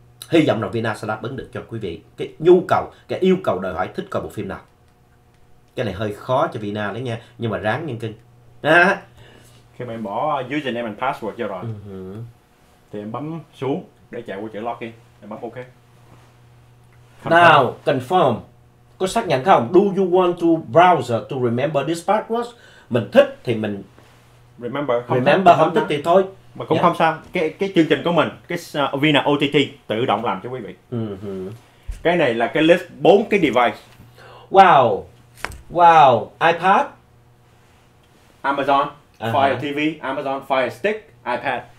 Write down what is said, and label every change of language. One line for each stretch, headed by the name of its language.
Vietnamese: Hy vọng là Vina sẽ đáp ứng được cho quý vị cái nhu cầu, cái yêu cầu đòi hỏi thích coi bộ phim nào. Cái này hơi khó cho Vina đấy nha. Nhưng mà ráng nhân kinh. À. Khi mà em bỏ username and password cho rồi thì em bấm xuống để chạy qua chữ login. Em bấm OK.
English: Now, confirm.
Vietnamese: Có xác nhận không?
English: Do you want to browser to remember this password?
Vietnamese: Mình thích thì mình
English: remember.
Vietnamese: Không thích thì thôi. Mà cũng không sao. Cái chương trình của mình, cái Vina OTT tự động làm cho quý vị. Cái này là cái list 4 cái device. Wow. iPad. Amazon. Fire TV. Amazon Fire Stick. iPad.